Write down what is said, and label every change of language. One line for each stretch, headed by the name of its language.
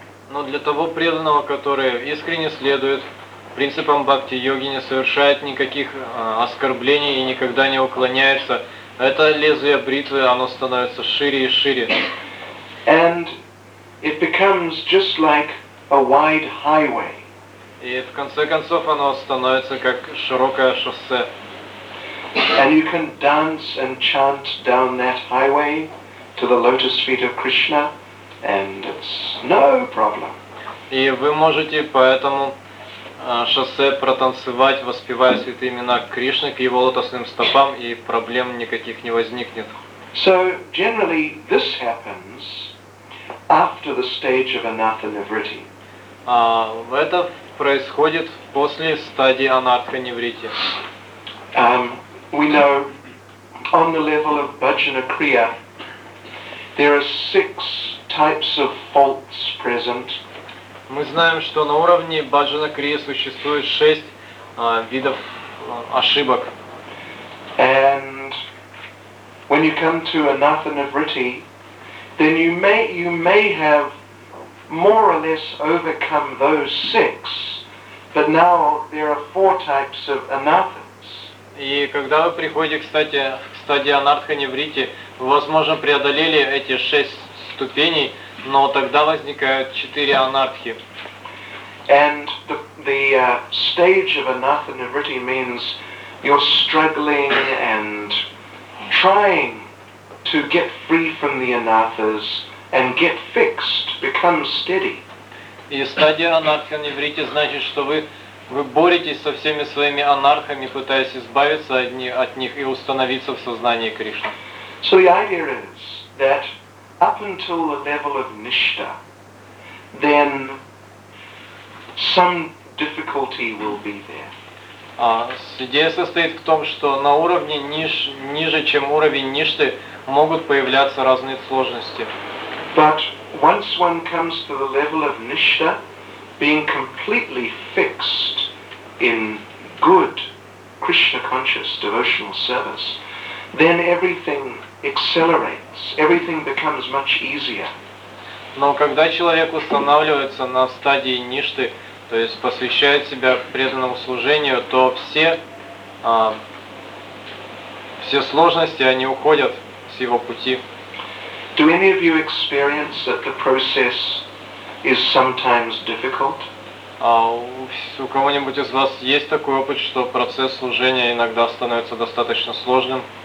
Russian: Но для того преданного, который искренне следует принципам бхакти-йоги, не совершает никаких оскорблений и никогда не уклоняется, это лезвие бритвы, оно становится шире и шире.
English: And it becomes just like a wide highway.
Russian: И в конце концов оно становится как широкое шоссе.
English: And you can dance and chant down that highway to the lotus feet of Krishna, and it's no problem.
Russian: И вы можете по этому шоссе протанцевать, воспевая святые имена Кришны к его лотосным стопам, и проблем никаких не возникнет.
English: So generally this happens after the stage of anatha nivritti.
Russian: Это происходит после стадии анатха нивритти.
English: We know on the level of bhajana kriya there are six types of faults present.
Russian: Мы знаем, что на уровне bhajana kriya существует шесть видов ошибок.
English: And when you come to anatha nivritti, then you may have more or less overcome those six, but now there are four types of anatha.
Russian: И когда вы приходите, кстати, к стадии анатха нивритти, вы, возможно, преодолели эти шесть ступеней, но тогда возникают четыре анатхи.
English: And the stage of anatta nivritti means you're struggling and trying to get free from the anathas and get fixed, become steady.
Russian: И стадия анатта нивритти значит, что вы боретесь со всеми своими анархами, пытаясь избавиться от них и установиться в сознании Кришны.
English: So the idea is that up until the level of nishta, then some difficulty will be there.
Russian: Идея состоит в том, что на уровне ниже, чем уровень ништы, могут появляться разные сложности.
English: But once one comes to the level of nishta, being completely fixed in good Krishna conscious devotional service, then everything accelerates, everything becomes much easier.
Russian: Но когда человек устанавливается на стадии ништы, то есть посвящает себя преданному служению, то все сложности, они уходят с его пути.
English: Do any of you experience that the process is sometimes difficult?
Russian: У кого-нибудь из вас есть такой опыт, что процесс служения иногда становится достаточно сложным?